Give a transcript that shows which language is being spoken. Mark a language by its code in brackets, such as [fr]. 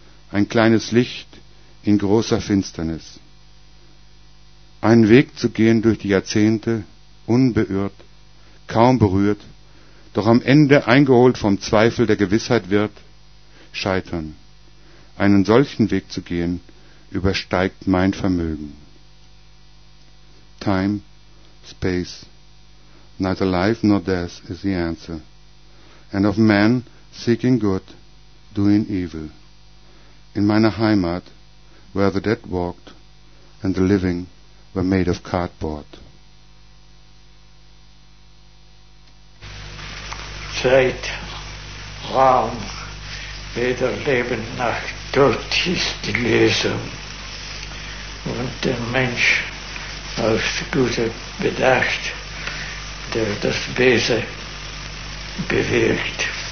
[de] Ein kleines Licht in großer Finsternis. Einen Weg zu gehen durch die Jahrzehnte, unbeirrt, kaum berührt, doch am Ende eingeholt vom Zweifel der Gewissheit wird, scheitern. Einen solchen Weg zu gehen, übersteigt mein Vermögen. [en] Time, Space, neither life nor death is the answer, and of man seeking good, doing evil. [de] In meiner Heimat, [en] where the dead walked and the living were made of cardboard. [de] Zeit, Raum, weder Leben noch Tod ist die Lösung. Und der Mensch aus guter Bedacht, der das Böse bewirkt.